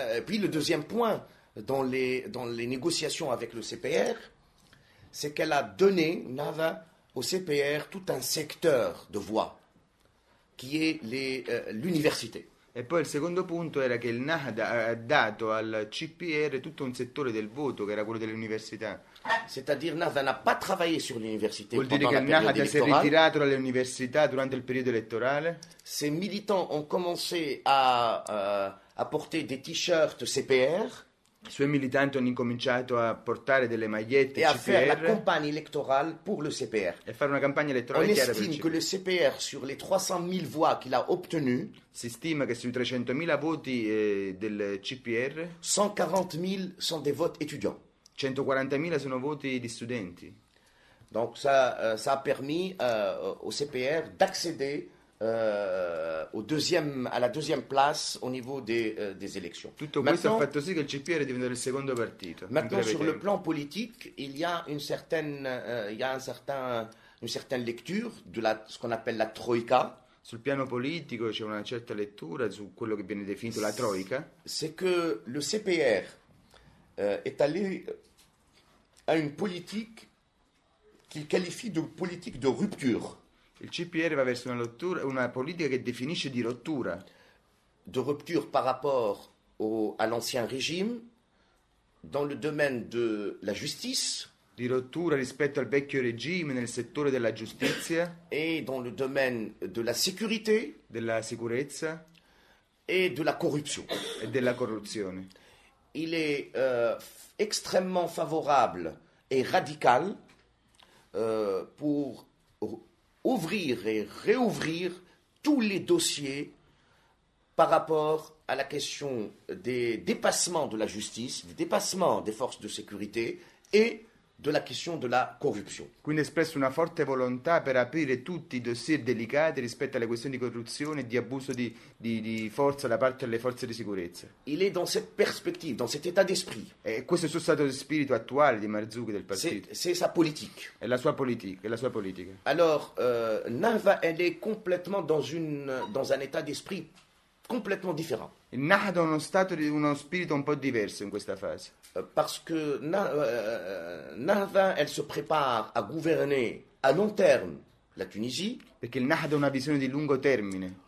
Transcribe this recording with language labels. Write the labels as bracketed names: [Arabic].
[French] Puis le deuxième point dans les négociations avec le CPR, c'est qu'elle a donné NADA au CPR tout un secteur de voix. Qui est l'université. [Italian] E poi il secondo punto era che il NADA ha dato al CPR tutto un settore del voto che era quello dell'università. [French] C'est-à-dire NADA n'a pas travaillé sur l'université. [Italian] Vuol dire che il NADA si è ritirato dalle università durante il periodo elettorale. [French] Ses militants ont commencé à porter des t-shirts CPR. [Italian] I suoi militanti hanno incominciato a portare delle magliette CPR e a fare la campagna elettorale per il CPR. E fare una campagna elettorale chiara per il CPR. [French] On estime che il CPR, sur les 300.000 voix qu'il a obtenu, [Italian] si stima che sui 300.000 voti del CPR, 140.000 sono dei voti [French] étudiants. [Italian] 140.000 sono voti di studenti. [French] Donc ça a permis au CPR d'accéder alla deuxième place au niveau des élections. [Italian] Tutto questo ha fatto sì che il CPR è diventato il secondo partito. [French] Maintenant, sur le plan politique, il y a une certaine lecture de ce qu'on appelle la troïka. [Italian] Sul piano politico c'è una certa lettura su quello che viene definito la troïka. [French] C'est que le CPR est allé à une politique qu'il qualifie de politique de rupture. [Italian] Il CPR va verso una politica che definisce di rottura. [French] De rupture par rapport à l'ancien régime, dans le domaine de la justice. [Italian] Di rottura rispetto al vecchio regime nel settore della giustizia. [French] E dans le domaine de la sécurité. [Italian] Della sicurezza. [French] E de la corruption. [Italian] E della corruzione. [French] Il est extrêmement favorable et radical pour ouvrir et réouvrir tous les dossiers par rapport à la question des dépassements de la justice, des dépassements des forces de sécurité et de la question de la corruption. [Italian] Quindi espresso una forte volontà per aprire tutti i dossier delicati rispetto alle questioni di corruzione e di abuso di forza da parte delle forze di sicurezza. [French] Il est dans cette perspective, dans cet état d'esprit. [Italian] E questo è il suo stato di spirito attuale di Marzouki del partito. [French] C'est sa politique. [Italian] È la sua politica. [French] Alors, Nava, elle est complètement dans un état d'esprit complètement différent. [Italian] Nada uno stato di uno spirito un po' diverso in questa fase. [French] Parce que Nada elle se prépare à gouverner à long terme la Tunisie. [Italian] Perché il Nada ha una visione di lungo termine.